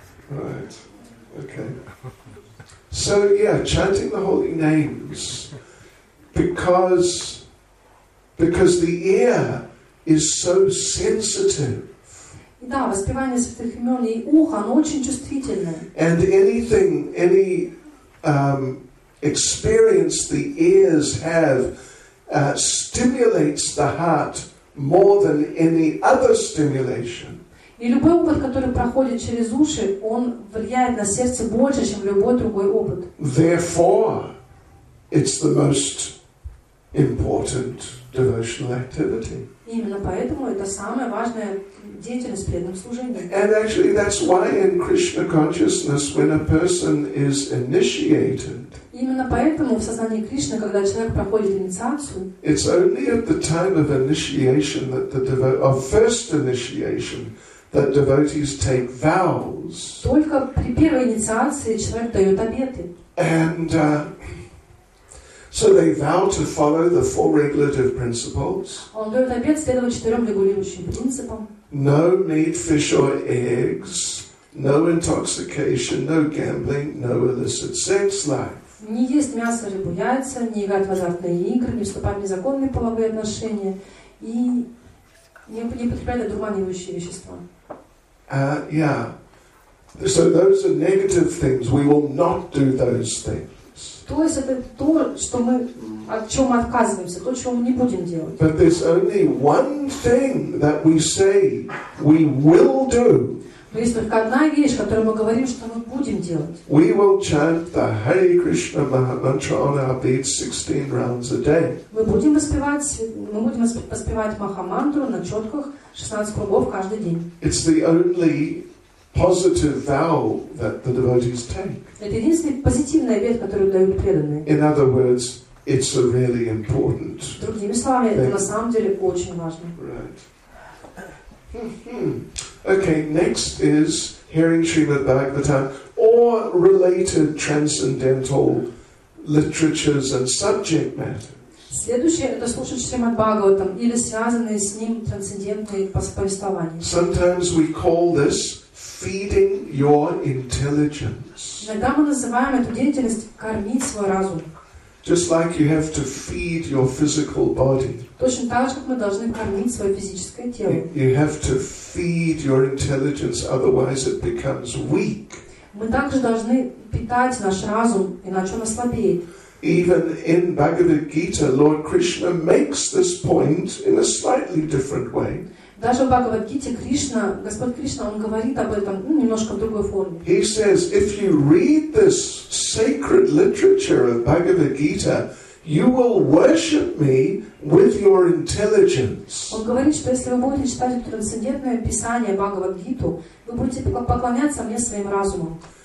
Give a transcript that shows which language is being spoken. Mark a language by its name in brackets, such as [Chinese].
[English] Right. Okay. So, yeah, chanting the holy names, because the ear is so sensitive. [Russian] Да, воспевание святых имен, и ухо, оно очень чувствительное. [English] And anything, any experience the ears have stimulates the heart more than any other stimulation. [Russian] И любой опыт, который проходит через уши, он влияет на сердце больше, чем любой другой опыт. [English] Therefore, it's the most important devotional activity. [Russian] Именно поэтому это самая важная деятельность преданного служения. [English] And actually, that's why in Krishna consciousness, when a person is initiated, [Russian] именно поэтому в сознании Кришны, когда человек проходит инициацию, [English] it's only at the time of initiation that the of first initiation that devotees take vows. [Russian] Только при первой инициации человек дает обеты. [English] And so they vow to follow the four regulative principles. [Russian] Он дает обет следовать четырем регулирующим принципам. [English] No meat, fish, or eggs. No intoxication. No gambling. No illicit sex life. [Russian] Не есть мясо, рыбу, яйца. Не играть в азартные игры. Не вступать в незаконные половые отношения. И не употреблять одурманивающие вещества. [English] Yeah. So those are negative things. We will not do those things. [Russian] То есть это то, что мы, от чего мы отказываемся, то, чего мы не будем делать. [English] But there's only one thing that we say we will do. [Russian] Есть только одна вещь, которую мы говорим, что мы будем делать. [English] We will chant the Hare Krishna Mahamantra on our beds 16 rounds a day. [Russian] Мы будем воспевать Махамантру на четках 16 кругов каждый день. [English] It's the only positive vow that the devotees take. [Russian] Это единственная позитивная вещь, которую дают преданные. [English] In other words, it's a really important. [Russian] Другими словами, это на самом деле очень важно. [English] Right. Okay, next is hearing Srimad Bhagavatam or related transcendental literatures and subject matter. [Russian] Следующее это слушать Шримад Бхагаватам или связанные с ним трансцендентные повествования. [English] Sometimes we call this feeding your intelligence. [Russian] Иногда мы называем эту деятельность кормить свой разум. [English] Just like you have to feed your physical body. [Russian] Точно так же, как мы должны кормить свое физическое тело. [English] You have to feed your intelligence, otherwise it becomes weak. [Russian] Мы также должны питать наш разум, иначе он ослабеет. [English] Even in Bhagavad Gita, Lord Krishna makes this point in a slightly different way. [Russian] Даже в Бхагавад Гите Кришна, Господь Кришна, он говорит об этом немножко в другой форме. [English] He says, if you read this sacred literature of Bhagavad Gita, you will worship me with your intelligence. [Russian] Он говорит, что если вы будете читать трансцендентное писание Бхагавад Гиту, вы будете поклоняться мне своим разумом.